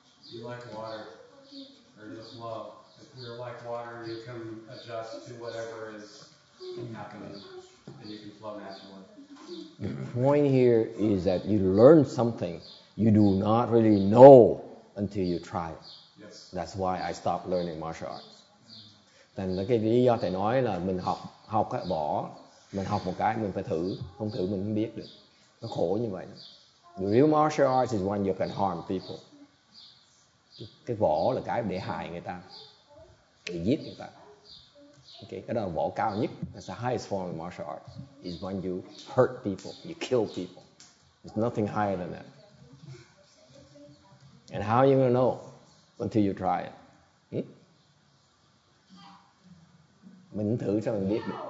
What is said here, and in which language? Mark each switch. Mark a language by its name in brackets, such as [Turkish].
[English] You like water, or just love. If you're like water, you can adjust to whatever is happening, and you can flow naturally. The point here is that you learn something you do not really know until you try it. Yes. That's why I stopped learning martial arts. [Vietnamese] Thành là cái lý do thầy nói là mình học á, bỏ, mình học một cái mình phải thử, không thử mình không biết được. Nó khổ như vậy. [English] The real martial arts is when you can harm people. [Vietnamese] Cái võ là cái để hại người ta, để giết người ta. Okay, cái đó là võ cao nhất. [English] That's the highest form of martial arts. Is when you hurt people, you kill people. There's nothing higher than that. And how are you going to know until you try it? [Vietnamese] Mình thử cho mình biết.